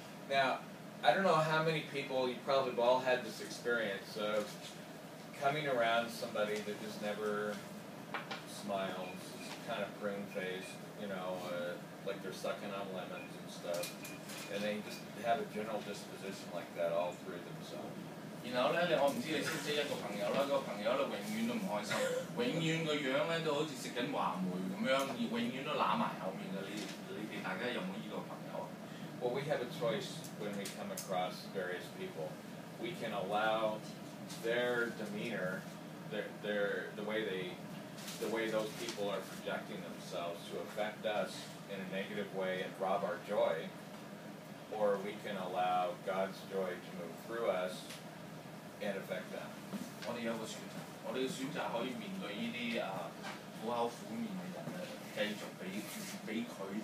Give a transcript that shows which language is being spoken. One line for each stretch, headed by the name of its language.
English: Now, I don't know how many people, you probably have all had this experience of coming around somebody that just never smiles, just kind of prune-faced, you know, like they're sucking on lemons and stuff, and they just have a general disposition like that all through themselves.
Cantonese: 然後呢,我不知道你認識一個朋友,那個朋友永遠都不開心,永遠的樣子都好像吃華梅一樣,永遠都懶在後面的,你們大家有沒有這個朋友?
English: Well, we have a choice when we come across various people. We can allow their demeanor, the way those people are projecting themselves to affect us in a negative way and rob our joy, or we can allow God's joy to move through us and affect them.
Cantonese: 我們有個選擇,我們的選擇可以面對這些不好負面的人,繼續被他。